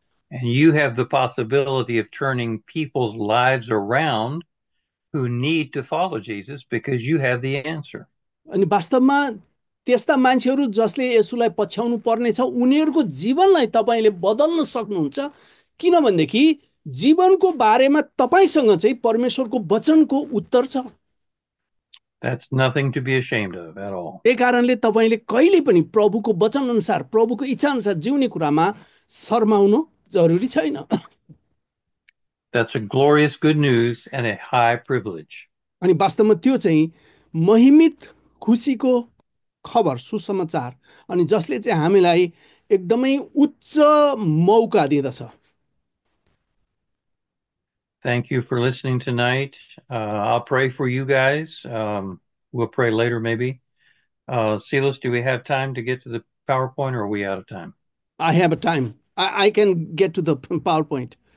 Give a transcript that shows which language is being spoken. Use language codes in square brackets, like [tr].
[en] And you have the possibility of turning people's lives around who need to follow Jesus because you have the answer. [ne] अनि वास्तवमा त्यस्ता मान्छेहरू जसले येशूलाई पछ्याउनु पर्नेछ उनीहरूको जीवनलाई तपाईँले बदल्न सक्नुहुन्छ, किनभनेदेखि जीवनको बारेमा तपाईँसँग चाहिँ परमेश्वरको वचनको उत्तर छ। [en] That's nothing to be ashamed of at all. [ne] त्यही कारणले तपाईँले कहिले पनि प्रभुको वचन अनुसार, प्रभुको इच्छा अनुसार जिउने कुरामा शर्माउनु जरुरी छैन। [en] That's a glorious good news and a high privilege. [ne] अनि वास्तवमा त्यो चाहिँ महिमित खुसीको खबर, सुसमाचार, अनि जसले चाहिँ हामीलाई एकदमै उच्च मौका दिँदछ। [en] Thank you for listening tonight. I'll pray for you guys. We'll pray later, maybe. Silas, do we have time to get to the PowerPoint, or are we out of time? I have a time. I can get to the PowerPoint.